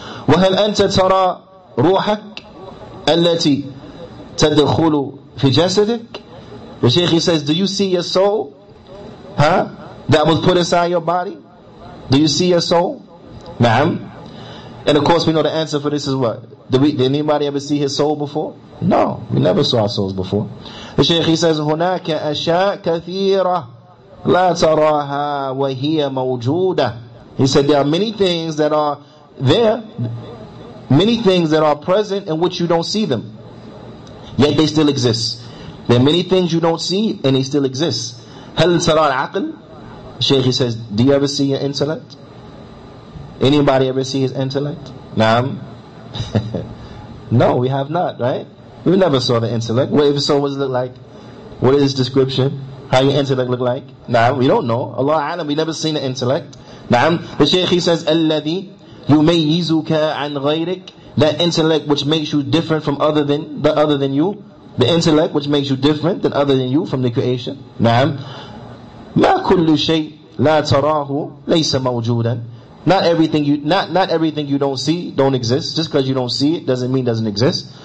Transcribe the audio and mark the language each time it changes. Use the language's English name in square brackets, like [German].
[Arabic] Wa hal anta tara ruhak allati tadkhulu fi jasadik. [English] The Shaykh, he says, do you see your soul? Huh? That was put inside your body? Do you see your soul? Ma'am? And of course, we know the answer for this is what? Did anybody ever see his soul before? No, we never saw our souls before. The Shaykh, he says, [Arabic] هناك أشياء كثيرة لا تراها وهي موجودة. [English] He said, there are many things that are there, many things that are present in which you don't see them, yet they still exist. There are many things you don't see and they still exist. [Arabic] هل ترى العقل? [English] Shaykh, he says, do you ever see your intellect? Anybody ever see his intellect? Naam. No, we have not, right? We never saw the intellect. What if so, what does it look like? What is his description? How your intellect look like? Naam, we don't know. Allah alam, we never seen the intellect. Naam. The Shaykh, he says, [Arabic] الذي يميزك عن غيرك. [English] That intellect which makes you different from other than you. The intellect which makes you different than other than you from the creation. Naam. [Arabic] Ma kullu shay la tarahu laysa mawjoodan. [English] Not everything you don't see don't exist. Just because you don't see it doesn't mean it doesn't exist.